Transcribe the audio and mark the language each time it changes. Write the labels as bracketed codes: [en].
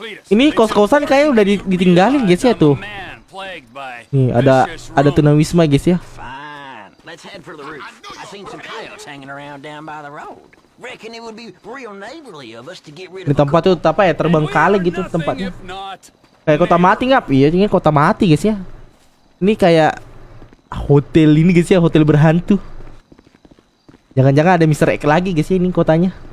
[id] Ini kos-kosan kayaknya udah ditinggalin guys ya tuh. Nih, ada tunawisma guys ya. [en] Let's head for the roof. I seen some coyotes hanging around down by the road. Reckon it would be real neighborly of us to get rid of. [id] Di tempat itu apa ya? Terbang kali gitu tempatnya. Kayak kota mati enggak? Iya, ini kota mati guys ya. Ini kayak hotel ini guys ya, hotel berhantu. Jangan-jangan ada Mr. Egg lagi guys ya ini kotanya.